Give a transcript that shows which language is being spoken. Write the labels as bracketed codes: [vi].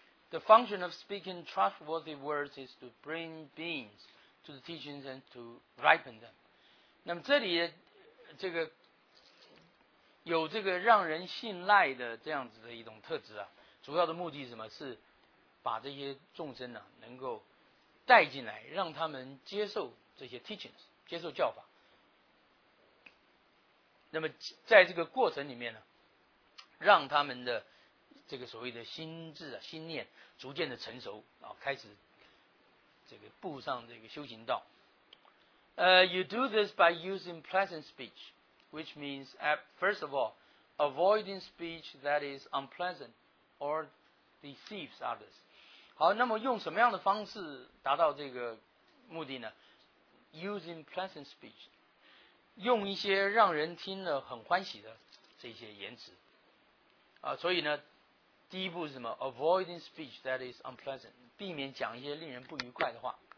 [en] The function of speaking trustworthy words is to bring beings to the teachings and to ripen them. [zh] 那么这里这个有这个让人信赖的这样子的一种特质啊，主要的目的是什么？是把这些众生呢、啊、能够带进来，让他们接受这些 teachings， 接受教法。那么在这个过程里面呢，让他们的这个所谓的心智啊、心念逐渐的成熟啊，开始这个步上这个修行道。 [en] You do this by using pleasant speech, which means first of all, avoiding speech that is unpleasant or deceives others. [zh] 好，那么用什么样的方式达到这个目的呢？ [en] Using pleasant speech. [zh] 用一些让人听了很欢喜的这些言辞啊，所以呢，第一步是什么 ？ [en] Avoiding speech that is unpleasant， [zh] 避免讲一些令人不愉快的话。